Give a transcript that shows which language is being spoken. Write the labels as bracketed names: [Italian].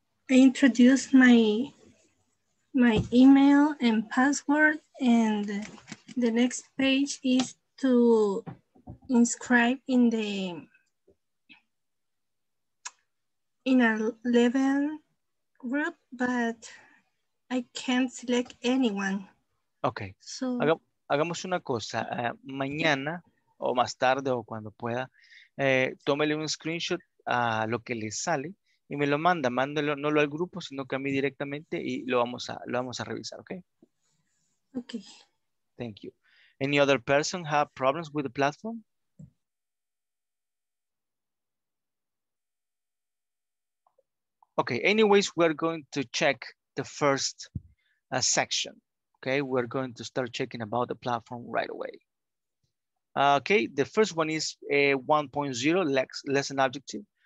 [English] I introduced my email and password, and the next page is to inscribe in a level group, but I can't select anyone. [Spanish] Okay, so hagamos una cosa, mañana o más tarde o cuando pueda, tómele un screenshot a lo que le sale y me lo manda, mándelo no lo al grupo, sino que a mí directamente y lo vamos a revisar, okay? [English] Okay. Thank you. Any other person have problems with the platform? Okay, anyways, we're going to check the first section. Okay, we're going to start checking about the platform right away. Okay, the first one is a 1.0 lesson objective.